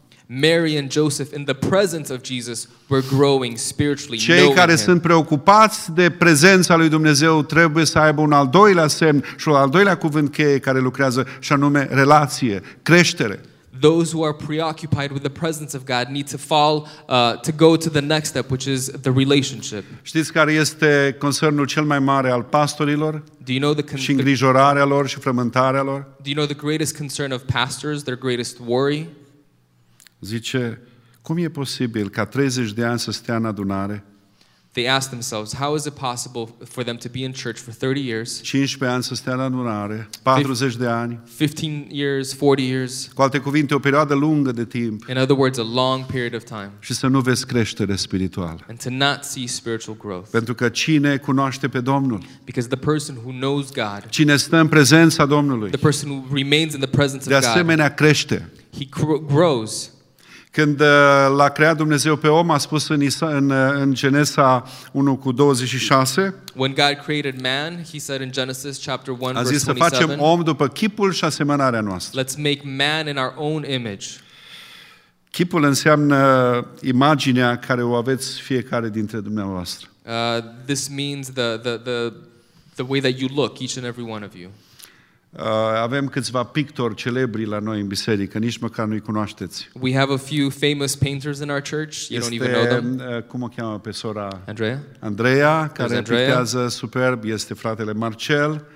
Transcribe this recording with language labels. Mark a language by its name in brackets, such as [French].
[English] Mary and Joseph in the presence of Jesus were growing spiritually. [Romanian] Cei care sunt preocupați de prezența lui Dumnezeu trebuie să aibă un al doilea semn și un al doilea cuvânt cheie care lucrează, și anume relație, creștere. [English] Those who are preoccupied with the presence of God need to fall to go to the next step, which is the relationship. [Romanian] Știți care este concernul cel mai mare al pastorilor? [English] Do you know [Romanian] și îngrijorarea lor și frământarea lor? [English] Do you know the greatest concern of pastors, their greatest worry? [Romanian] Zice, cum e posibil ca 30 de ani să stea în adunare? [English] They ask themselves, how is it possible for them to be in church for 30 years? [Romanian] 15 ani să stea la adunare, 40 de ani. [English] 15 years, 40 years. [Romanian] Cu alte cuvinte, o perioadă lungă de timp. [English] In other words, a long period of time. [Romanian] Și să nu vezi creștere spirituală. [English] And to not see spiritual growth. [Romanian] Pentru că cine cunoaște pe Domnul? [English] Because the person who knows God. [Romanian] Cine stă în prezența Domnului? [English] The person who remains in the presence of God. [Romanian] De asemenea crește. [English] He grows. [Romanian] Când l-a creat Dumnezeu pe om, a spus în Genesa 1:26. [English] When God created man, he said in Genesis chapter 1 verse 27. [Romanian] A zis să facem om după chipul și asemănarea noastră. [English] Let's make man in our own image. [Romanian] Chipul înseamnă imaginea care o aveți fiecare dintre dumneavoastră. [English] This means the way that you look, each and every one of you. [Romanian] Avem câțiva pictori celebri la noi în biserică, nici măcar nu-i cunoașteți. [English] We have a few famous painters in our church. You [Romanian] este, [English] don't even know them. [Romanian] Cum o cheamă pe sora? Andrea. Andrea, care pictează superb, este fratele Marcel.